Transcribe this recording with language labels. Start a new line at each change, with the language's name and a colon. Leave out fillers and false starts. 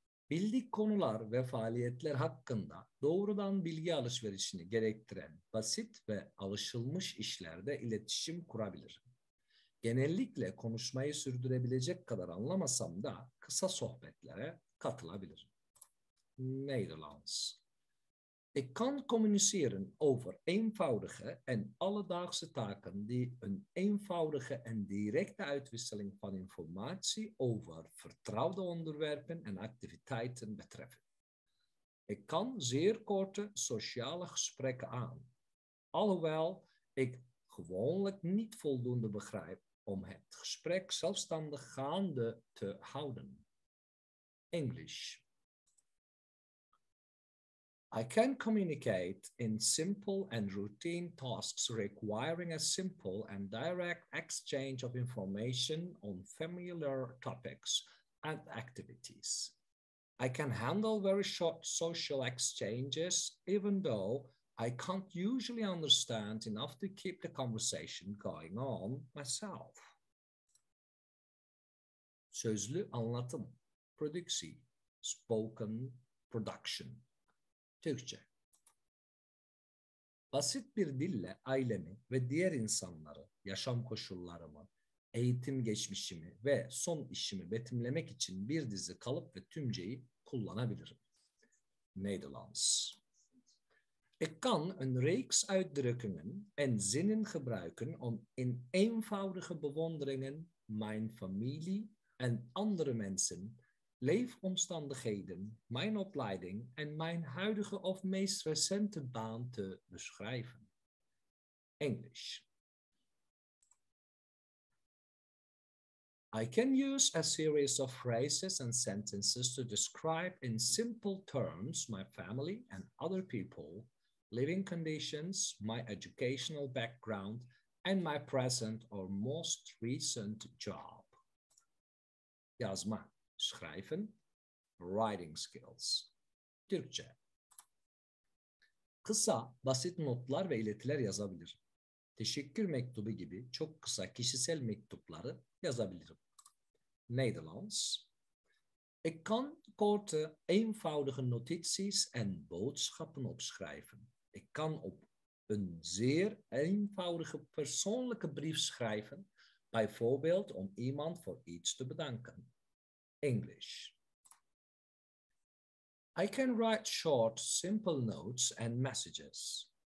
Turkish: Bildik konular ve faaliyetler hakkında doğrudan bilgi alışverişini gerektiren basit ve alışılmış işlerde iletişim kurabilir. Genellikle konuşmayı sürdürebilecek kadar anlamasam da kısa sohbetlere katılabilirim.
Dutch: Nederlands. Ik kan communiceren over eenvoudige en alledaagse taken die een eenvoudige en directe uitwisseling van informatie over vertrouwde onderwerpen en activiteiten betreffen. Ik kan zeer korte sociale gesprekken aan, alhoewel ik gewoonlijk niet voldoende begrijp om het gesprek zelfstandig gaande te houden. Engels.
English: I can communicate in simple and routine tasks requiring a simple and direct exchange of information on familiar topics and activities. I can handle very short social exchanges, even though I can't usually understand enough to keep the conversation going on myself.
Turkish: Sözlü anlatım, prodüksi,
English: spoken production.
Turkish: Türkçe. Basit bir dille ailemi ve diğer insanları, yaşam koşullarımı, eğitim geçmişimi ve son işimi betimlemek için bir dizi kalıp ve tümceyi kullanabilirim.
Dutch: Nederlands. Ik kan een reeks uitdrukkingen en zinnen gebruiken om in eenvoudige bewonderingen mijn familie en andere mensen, leefomstandigheden, mijn opleiding en mijn huidige of meest recente baan te beschrijven. Engels.
English: I can use a series of phrases and sentences to describe in simple terms my family and other people, living conditions, my educational background, and my present or most recent job. Yazma, schrijven, writing skills.
Turkish: Türkçe. Kısa, basit notlar ve iletiler yazabilir. Teşekkür mektubu gibi çok kısa kişisel mektupları yazabilirim.
Dutch: Nederlands. Ik kan korte, eenvoudige notities en boodschappen opschrijven. Ik kan op een zeer eenvoudige persoonlijke brief schrijven, bijvoorbeeld om iemand voor iets te bedanken.
English: English. I can write short, simple notes and messages.